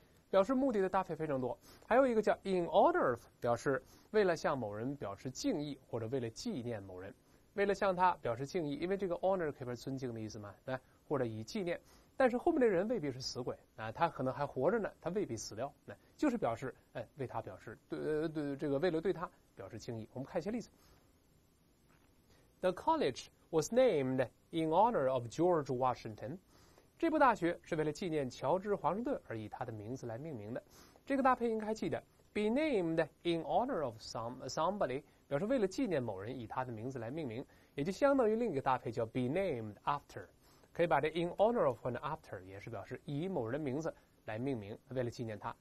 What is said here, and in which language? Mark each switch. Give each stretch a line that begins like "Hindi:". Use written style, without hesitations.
Chinese: 表示目的的搭配非常多，还有一个叫 in honor of， 表示为了向某人表示敬意或者为了纪念某人，为了向他表示敬意，因为这个 honor 可以表示尊敬的意思嘛，来，或者以纪念，但是后面的人未必是死鬼啊，他可能还活着呢，他未必死掉，那就是表示，哎，为他表示这个为了对他表示敬意。我们看一下例子
English: ：The college was named in honor of George Washington。
Chinese: 这部大学是为了纪念乔治·华盛顿而以他的名字来命名的。这个搭配应该记得 ，be named in honor of somebody 表示为了纪念某人以他的名字来命名，也就相当于另一个搭配叫 be named after。可以把这 in honor of and after 也是表示以某人的名字来命名，为了纪念他。